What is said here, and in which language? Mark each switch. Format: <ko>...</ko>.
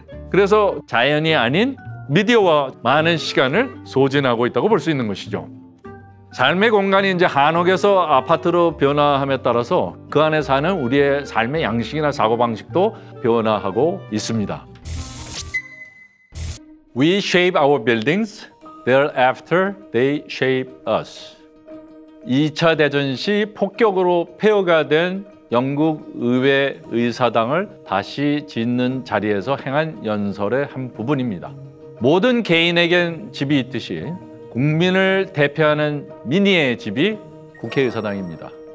<ko>그래서 자연이 아닌 미디어와 많은 시간을 소진하고 있다고 볼 수 있는 것이죠. 삶의 공간이 이제 한옥에서 아파트로 변화함에 따라서 그 안에 사는 우리의 삶의 양식이나 사고방식도 변화하고 있습니다.</ko> <en>We shape our buildings, thereafter they shape us.</en> <ko>2차 대전 시 폭격으로 폐허가 된 영국 의회 의사당을 다시 짓는 자리에서 행한 연설의 한 부분입니다. 모든 개인에겐 집이 있듯이 국민을 대표하는 민의의 집이 국회의사당입니다.</ko>